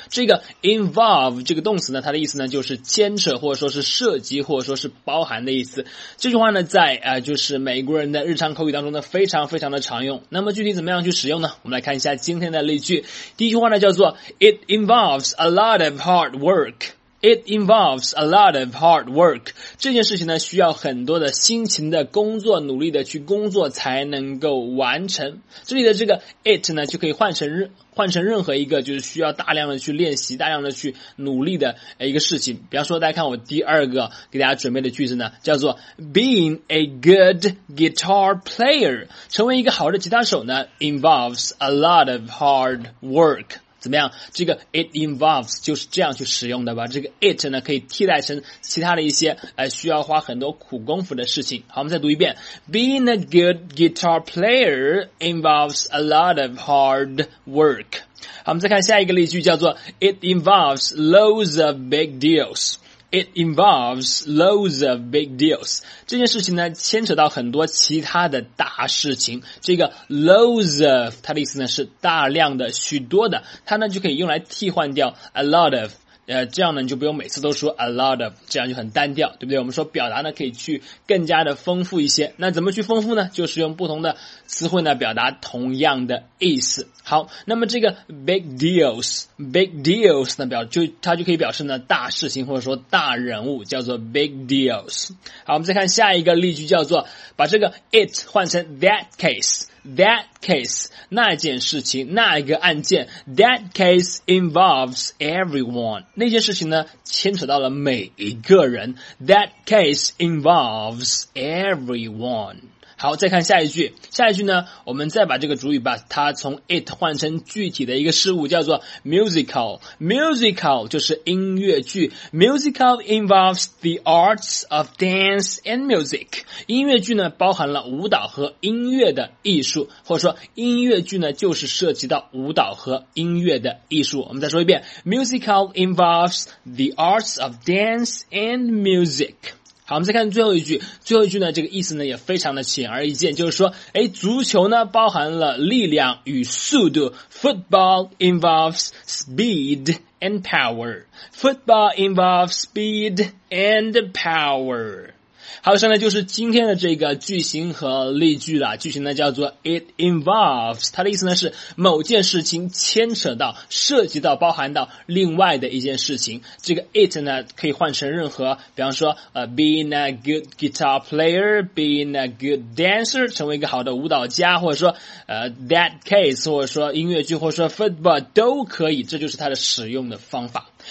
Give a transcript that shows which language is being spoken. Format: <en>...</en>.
<zh>这个 involve 这个动词呢，它的意思呢就是牵扯，或者说是涉及，或者说是包含的意思。这句话呢在就是美国人的日常口语当中呢非常非常的常用。那么具体怎么样去使用呢？我们来看一下今天的例句。第一句话呢叫做</zh> <en>It involves a lot of hard workIt involves a lot of hard work.</en> <zh>这件事情呢需要很多的辛勤的工作，努力的去工作才能够完成。这里的这个 it 呢就可以换成任何一个就是需要大量的去练习，大量的去努力的一个事情。比方说大家看我第二个给大家准备的句子呢，叫做</zh> <en>Being a good guitar player.</en> <zh>成为一个好的吉他手呢</zh> <en>involves a lot of hard work.</en> <zh>怎么样，这个 it involves 就是这样去使用的吧。这个 it 呢可以替代成其他的一些需要花很多苦功夫的事情。好，我们再读一遍。</zh> <en>Being a good guitar player involves a lot of hard work.</en> <zh>好，我们再看下一个例句，叫做</zh> <en>It involves loads of big deals. It involves loads of big deals.</en> <zh>这件事情呢牵扯到很多其他的大事情。这个 loads of, 它的意思呢是大量的，许多的。它呢就可以用来替换掉 a lot of, 这样呢你就不用每次都说 a lot of, 这样就很单调，对不对？我们说表达呢可以去更加的丰富一些。那怎么去丰富呢？就是用不同的词汇呢表达同样的意思。好，那么这个 big deals 呢它就可以表示呢大事情，或者说大人物，叫做 big deals。好，我们再看下一个例句，叫做把这个 it 换成 that case 那件事情，那一个案件。</zh> <en>that case involves everyone,</en> <zh>那件事情呢牵扯到了每一个人。</zh> <en>that case involves everyone。</en> <zh>好，再看下一句。下一句呢，我们再把这个主语把它从 it 换成具体的一个事物，叫做 musical。 musical 就是音乐剧。</zh> <en>musical involves the arts of dance and music。</en> <zh>音乐剧呢，包含了舞蹈和音乐的艺术，或者说音乐剧呢，就是涉及到舞蹈和音乐的艺术。我们再说一遍</zh> <en>，musical involves the arts of dance and music。</en> <zh>好，我们再看最后一句。最后一句呢这个意思呢也非常的显而易见，就是说足球呢包含了力量与速度。</zh> <en>Football involves speed and power. Football involves speed and power.</en> <zh>好，上来就是今天的这个句型和例句了。句型呢叫做 It involves, 它的意思呢是某件事情牵扯到，涉及到，包含到另外的一件事情。这个 it 呢可以换成任何，比方说</zh> <en>being a good guitar player, being a good dancer,</en> <zh>成为一个好的舞蹈家，或者说that case, 或者说音乐剧，或者说 football, 都可以，这就是它的使用的方法。</zh>